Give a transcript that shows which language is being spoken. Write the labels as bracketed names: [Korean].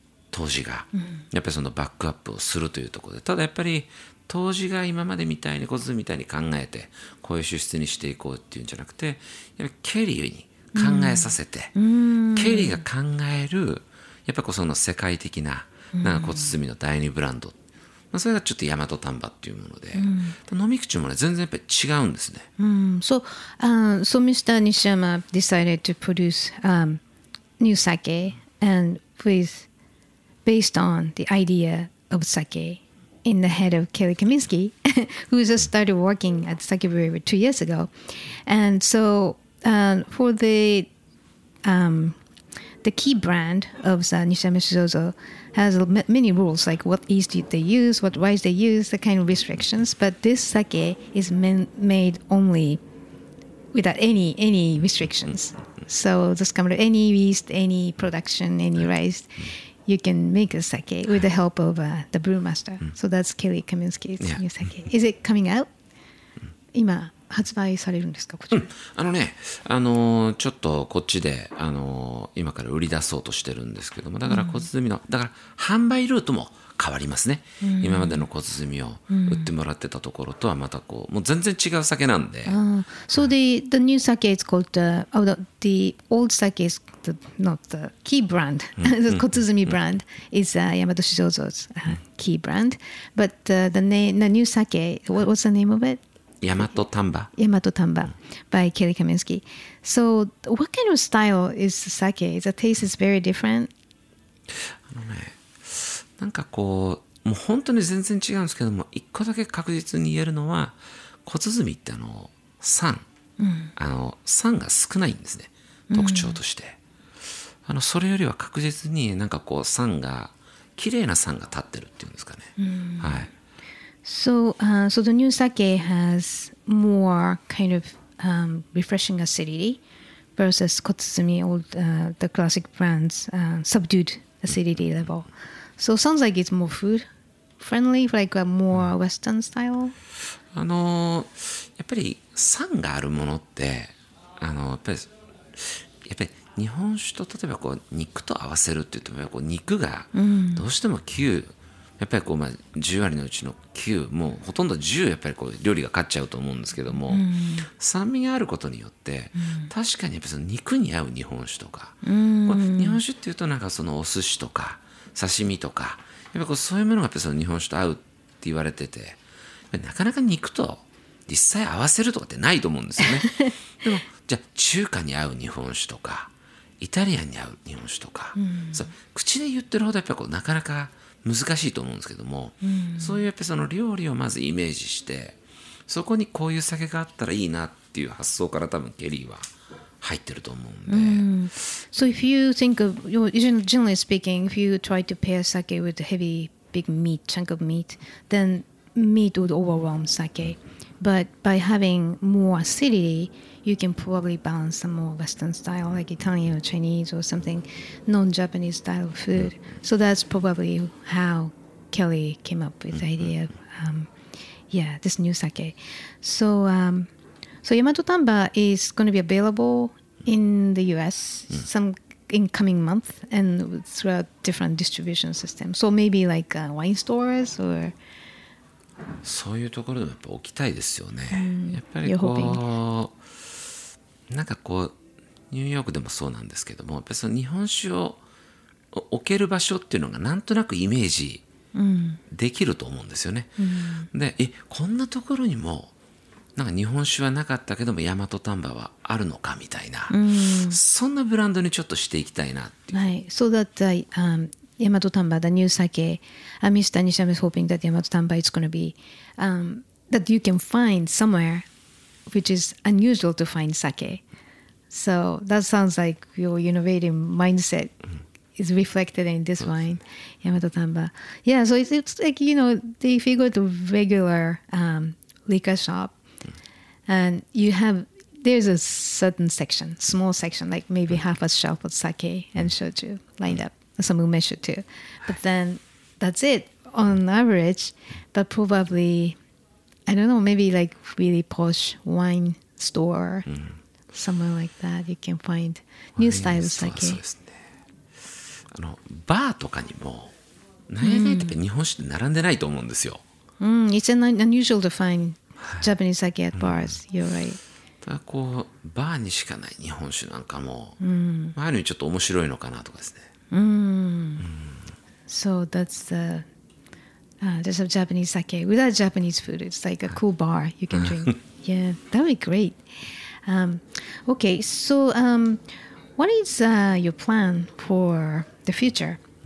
[Japanese] 杜氏がやっぱりそのバックアップをするというところで、ただやっぱり杜氏が今までみたいに小鼓みたいに考えてこういう酒質にしていこうっていうんじゃなくて、やっぱケリーに考えさせて、ケリーが考えるやっぱりその世界的 なんか小鼓の第二ブランド、それがちょっと大和丹波っていうもので、飲み口もね全然やっぱり違うんですね。 [English] So Mr. Nishiyama decided to produce new sake and with based on the idea of sake in the head of Kelly Kaminsky, who just started working at Sake Brewery 2 years ago. And so for the key brand of Nishiyama Shizuzo has many rules, like what yeast they use, what rice they use, the kind of restrictions. But this sake is made only without any restrictions. So just come to any yeast, any production, any rice, you can make a sake with the help of the brewmaster. So that's Kelly Kaminsky's new sake. Is it coming out? [Japanese] 今発売されるんですか、こちら。ちょっとこっちで、今から売り出そうとしてるんですけども、だから小鼓の、だから販売ルートも変わりますね、今までの小鼓を売ってもらってたところとはまたこう、もう全然違う酒なんで。 [English] So the new sake is called the old sake is not the key brand. The 小鼓 brand is Yamato Shizuzo's key brand. But the new sake, what's the name of it? Yamato Tamba. Yamato Tamba by Kelly Kaminsky. So what kind of style is the sake? The taste is very different. [Japanese] なんかこう、もう本当に全然違うんですけども、一個だけ確実に言えるのは、小鼓って酸、酸が少ないんですね、特徴として。それよりは確実になんかこう酸が、綺麗な酸が立ってるっていうんですかね。はい。 [English] So the new sake has more kind of refreshing acidity versus kotsuzumi, the classic brand's subdued acidity level. So it sounds like it's more food friendly, like a more Western style. [Japanese] やっぱり酸があるものって、やっぱり日本酒と例えばこう肉と合わせるっていうと、こう肉がどうしても急、やっぱりこうまあ10割のうちの9、もうほとんど10、やっぱりこう料理が勝っちゃうと思うんですけども、酸味があることによって、確かにやっぱその肉に合う日本酒とか、日本酒っていうとなんかそのお寿司とか刺身とか、やっぱこうそういうものがやっぱその日本酒と合うって言われてて、なかなか肉と実際合わせるとかってないと思うんですよね。でもじゃあ中華に合う日本酒とか、イタリアンに合う日本酒とか、そう口で言ってるほどやっぱこうなかなか難しいと思うんですけども、そういうやっぱその料理をまずイメージして、そこにこういう酒があったらいいなっていう発想から多分ケリーは入ってると思うんで。 [English] So if you think of, generally speaking, if you try to pair sake with heavy big meat, chunk of meat, then meat would overwhelm sake. But by having more acidity, you can probably balance some more Western style, like Italian or Chinese or something, non-Japanese style of food. So that's probably how Kelly came up with the idea of, this new sake. So, Yamato Tamba is going to be available in the U.S. Some in coming month and throughout different distribution systems. So maybe like wine stores or... [Japanese] そういうところでやっぱ置きたいですよね。やっぱりこうなんかこうニューヨークでもそうなんですけども、やっぱその日本酒を置ける場所っていうのがなんとなくイメージできると思うんですよね。で、え、こんなところにもなんか日本酒はなかったけども大和丹波はあるのかみたいな、そんなブランドにちょっとしていきたいなっていう。はい、そうだった。 [English] Yamato Tamba, the new sake. Mr. Nishiyama is hoping that Yamato Tamba is going to be, that you can find somewhere which is unusual to find sake. So that sounds like your innovative mindset is reflected in this wine, Yamato Tamba. Yeah, so it's like, you know, if you go to a regular liquor shop and you have, there's a certain section, small section, like maybe half a shelf of sake and shochu lined up. Some umeshu too, but then that's it on average. But probably, I don't know, maybe like really posh wine store, somewhere like that, you can find new styles like it. [Japanese] Bar とかにも悩みって日本酒って並んでないと思うんですよ。 [English] It's unusual to find Japanese sake at bars. You're right. [Japanese] だこうバーにしかない日本酒なんかも、ある意味ちょっと面白いのかなとかですね。 [English] So that's the there's a Japanese sake without Japanese food. It's like a cool bar you can drink. Yeah, that would be great. Okay, so what is your plan for the future?